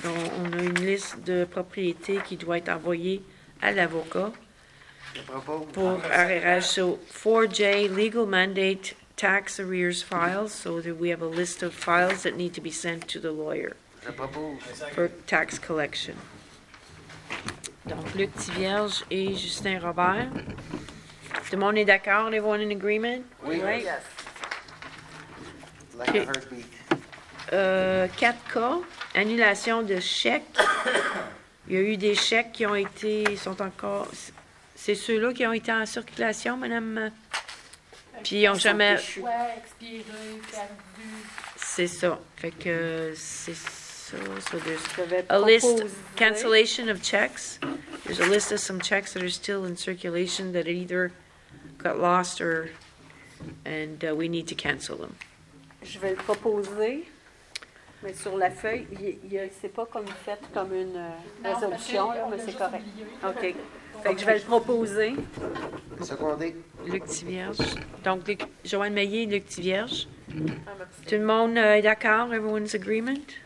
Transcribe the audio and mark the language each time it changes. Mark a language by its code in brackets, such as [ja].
[fr] Donc, on a une liste de propriétés qui doit être envoyée à l'avocat pour arrérage. [en] So, 4J, legal mandate, tax arrears files. So, that we have a list of files that need to be sent to the lawyer. For tax collection. [fr] Donc, Luc Thivierge et Justin Robert. Tout le monde est d'accord? [en] Everyone in agreement? [fr] Oui. [en] Yes. Like okay. A heartbeat. [fr] 4 cas, annulation de chèques. Il y a eu des chèques qui ont été, sont encore, c'est ceux-là qui ont été en circulation, madame? Puis ils n'ont jamais... Ouais, expiré, perdu. C'est ça. Fait que c'est... [en] So there's a list, cancellation of checks. There's a list of some checks that are still in circulation that either got lost or, and we need to cancel them. [fr] Je vais le proposer. Mais sur la feuille, c'est pas comme fait comme une résolution, non, là, mais c'est correct. Oublié. OK. Fait que je vais le proposer. Secondé. Luc Thivierge. Donc, Joanne Meillet, Luc Thivierge. Tout le monde est d'accord? [en] Everyone's agreement?